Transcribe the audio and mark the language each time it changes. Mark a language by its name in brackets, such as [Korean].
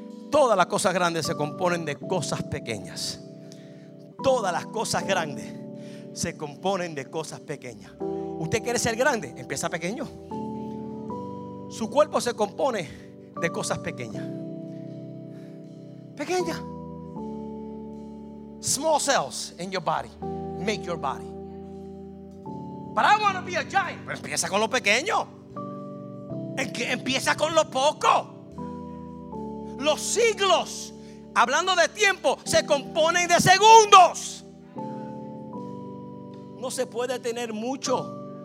[Spanish] Todas las cosas grandes se componen de cosas pequeñas. Todas las cosas grandes se componen de cosas pequeñas. ¿Usted quiere ser grande? Empieza pequeño. Su cuerpo se compone de cosas pequeñas. Pequeñas. [English] Small cells in your body make your body. But I want to be a giant. [Spanish] Pero empieza con lo pequeño. Empieza con lo poco. Los siglos, hablando de tiempo, se componen de segundos. No se puede tener mucho